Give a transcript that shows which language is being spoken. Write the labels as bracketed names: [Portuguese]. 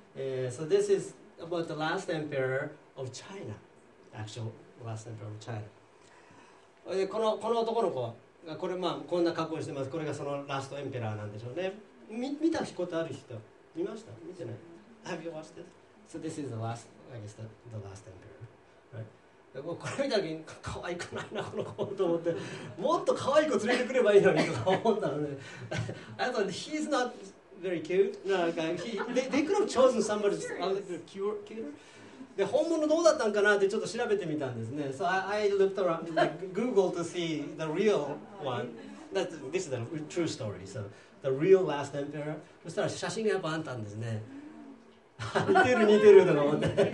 [English] So this is about the last emperor of China. Actual last emperor of China. [Japanese] この男の子がこれ、まあこんな格好してます。これがそのラストエンペラーなんでしょうね。見たことある人見ました？見てない。 [English] Have you watched it? So this is the last, I guess the last emperor.、Right? [Japanese] これ見た時に可愛くないな、この子と思って。もっと可愛い子連れてくればいいのにとか思ったので。 [English] I thought he's not very cute. No, they could have chosen somebody a little cuter. [Japanese] で、本物どうだったんかなってちょっと調べてみたんですね。 [English] So I looked around, Google to see the real one. This is the true story. So the real last emperor. [Japanese] そしたら写真がやっぱあったんですね。似てる似てるとか思って。